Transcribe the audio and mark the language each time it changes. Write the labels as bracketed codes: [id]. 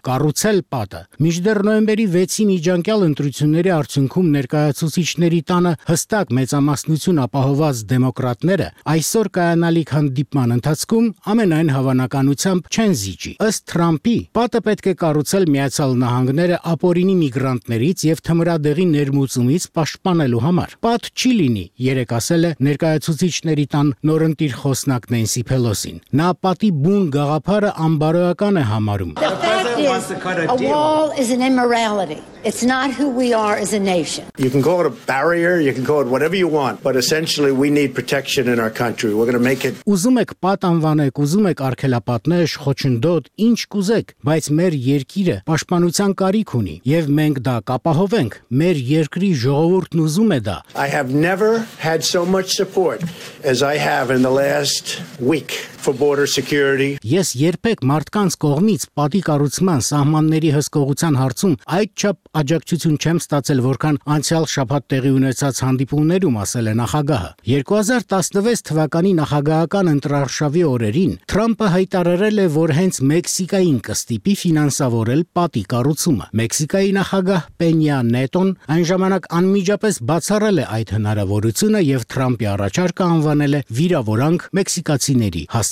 [hy] Կառուցել պատը։ Մինչդեռ նոյեմբերի 6-ի միջանկյալ ընտրությունների արդյունքում ներկայացուցիչների տանը հստակ մեծամասնություն ապահոված դեմոկրատները այսօր կայանալիք հանդիպման ընթացքում ամենայն հավանականությամբ չեն զիջի։ Ըստ Թրամփի, պատը պետք է կառուցել Միացյալ Նահանգները ապօրինի միգրանտներից եւ թմրադեղի ներմուծումից պաշտպանելու համար։ Պատ չի լինի, երեկ ասել է ներկայացուցիչների տան նորընտիր խոսնակ Նենսի Փելոսին։ Նա պատի բուն գաղափարը անբարոյական է համարում։ [en] A wall is an immorality. It's not who we are as a nation. You can call it a barrier, you can call it whatever you want, but essentially we need protection in our country. We're going to make it. [hy] Ուզում եք պատ անվանեք, ուզում եք արքելապատնեշ, խոչընդոտ, ինչ կուզեք, բայց մեր երկիրը պաշտպանության կարիք ունի, եւ մենք դա կապահովենք։ Մեր երկրի ժողովուրդն ուզում է դա։ [en] I have never had so much support as I have in the last week. For border security. [hy] Ես երբեք մարդկանց կողմից պատի կառուցման սահմանների հսկողության հարցում այդչափ աջակցություն չեմ ստացել, որքան անցյալ շաբաթ տեղի ունեցած հանդիպումներում, ասել է նախագահը։ 2016 թվականի նախագահական ընտրարշավի օրերին Թրամփը հայտարարել է, որ հենց Մեքսիկային կստիպի ֆինանսավորել պատի կառուցումը։ Մեքսիկայի նախագահ Պենյա Նետոն այն ժամանակ անմիջապես բացառել է այդ հնարավորությունը եւ Թրամփի առաջարկը անվանել է վիրավորանք մեքսիկացիների։